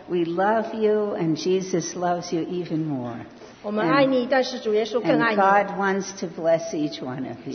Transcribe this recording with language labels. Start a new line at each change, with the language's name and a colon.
English: We love you, and Jesus loves you even more.
Chinese: 我们爱你，但是主耶稣更爱你。
English: And God wants to bless each one of you.